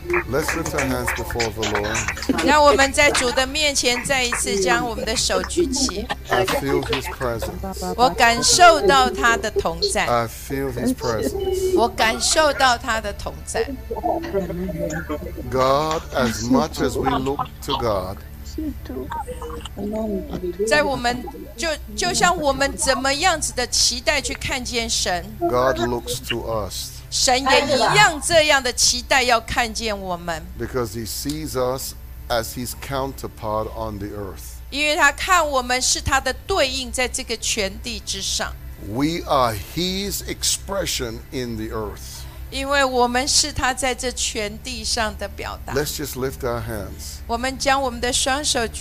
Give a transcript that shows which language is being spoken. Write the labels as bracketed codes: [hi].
[en] Let's lift our hands before the Lord. [zh] 让我们在主的面前再一次将我们的手举起。 [en] I feel His presence. [zh] 我感受到他的同在。 [en] I feel His presence. [zh] 我感受到他的同在。 [en] God, as much as we look to God. [zh] 在我们 就像我们怎么样子的期待去看见神 [en] God looks to us [zh] 神也一样这样的期待要看见我们 [en] Because he sees us as his counterpart on the earth [zh] 因为他看我们是他的对应在这个全地之上 [en] We are his expression in the earth [zh] 因为我们是他在这全地上的表达 [en] Let's just lift our hands We lift our hands. We lift our hands.